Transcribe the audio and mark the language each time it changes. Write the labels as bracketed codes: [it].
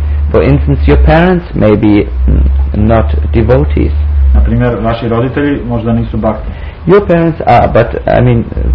[en] For instance, your parents may be not devotees. [sr] Naprimjer, vaši roditelji možda nisu bhakti. [en] Your parents are, but I mean...